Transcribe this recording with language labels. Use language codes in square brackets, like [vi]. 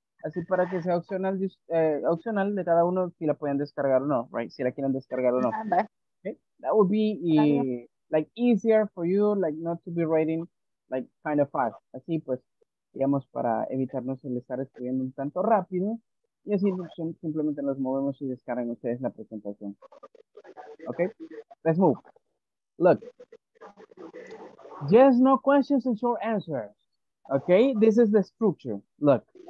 [es] Así para que sea opcional de cada uno si la pueden descargar o no, right? Si la quieren descargar o no. Okay? [en] That would be like easier for you, like not to be writing like kind of fast. [es] Así pues, digamos, para evitarnos el estar escribiendo un tanto rápido. Y así simplemente nos movemos y descargan ustedes la presentación. [en] Ok, let's move. Look. Yes, no questions and short answers. Ok, this is the structure. Look.